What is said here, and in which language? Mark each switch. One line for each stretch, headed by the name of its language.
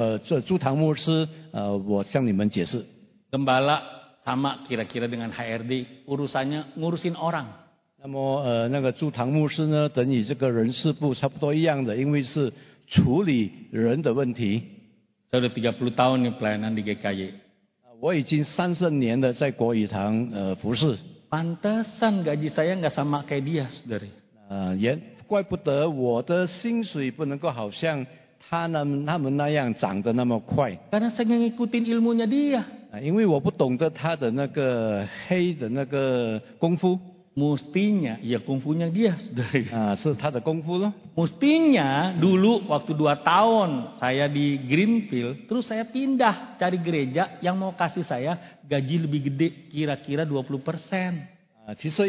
Chinese: 大概他的内容是这样的，我站在成为这个主堂牧师，我向你们解释。
Indonesian: Gembala sama kira-kira dengan HRD, urusannya ngurusin orang.
Chinese: 那么那个驻堂牧师呢，等于这个人事部差不多一样的，因为是处理人的问题。
Indonesian: Sudah 30 tahun yang pelayanan di GKY.
Chinese: 我已经30年的在国语堂服事。
Indonesian: Pantesan gaji saya nggak sama kayak dia, saudari.
Chinese: 怪不得我的薪水不能够好像他们那样涨得那么快。
Indonesian: Karena saya nggak ngikutin ilmunya dia.
Chinese: 因为我不懂得他的那个黑的那个功夫。
Indonesian: Mustinya, ya kungfunya dia sudah. Itu
Chinese: 他的功夫咯.
Indonesian: Mustinya dulu waktu 2 tahun saya di Greenfield, terus saya pindah cari gereja yang mau kasih saya gaji lebih gede, kira-kira 20%.